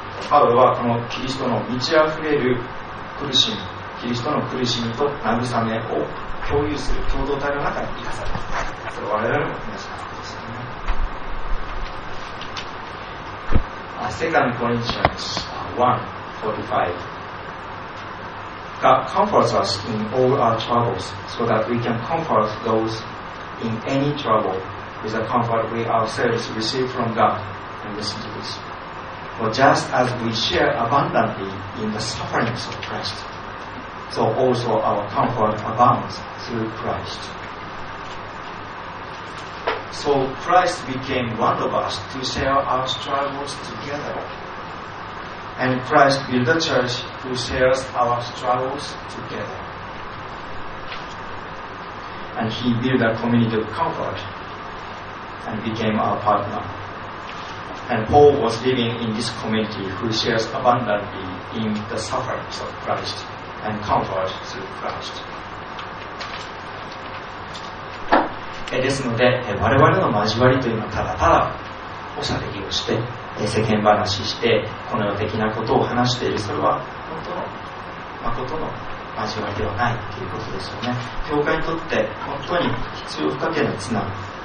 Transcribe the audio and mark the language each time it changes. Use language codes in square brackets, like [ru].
[ja] パウロはこのキリストの満ち溢れる苦しみ、キリストの苦しみと慰めを共有する共同体の中に生かされた。それは我々も同じなことですよね。 [en] セカンドコリンチャンス1:45 God comforts us in all our troubles so that we can comfort those in any trouble with the comfort we ourselves receive from God. And listen to this. For just as we share abundantly in the sufferings of Christ, so also our comfort abounds through Christ. So Christ became one of us to share our struggles together. And Christ built a church who shares our struggles together. And he built a community of comfort and became our partner. And Paul was living in this community who shares abundantly in the sufferings of Christ and comfort through Christ. [ja] ですので、我々の交わりというのはただただおしゃべりをして、世間話して、この世的なことを話している、それは本当の、誠の交わりではないということですよね。教会にとって本当に必要不可欠なつなぐ。